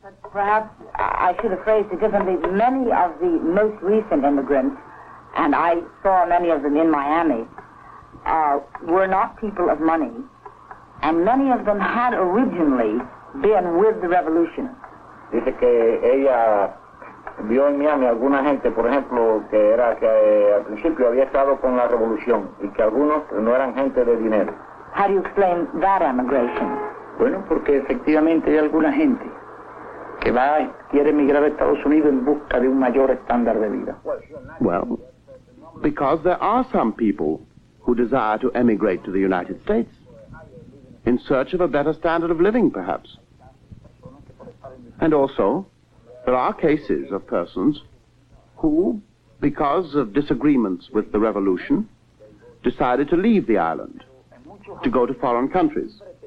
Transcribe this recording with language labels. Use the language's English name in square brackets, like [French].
[English] Perhaps I should have phrased it differently. Many of the most recent immigrants, and I saw many of them in Miami, were not people of money, and many of them had originally been with the revolution. [Spanish] Dice que ella vio en Miami alguna gente, por ejemplo, que era que al principio había estado con la revolución y que algunos no eran gente de dinero. [English] How do you explain that emigration? [Spanish] Bueno, porque efectivamente hay alguna gente que va, quiere emigrar a Estados Unidos en busca de un mayor estándar de vida. [English] Well, because there are some people who desire to emigrate to the United States in search of a better standard of living, perhaps. And also, there are cases of persons who, because of disagreements with the revolution, decided to leave the island to go to foreign countries.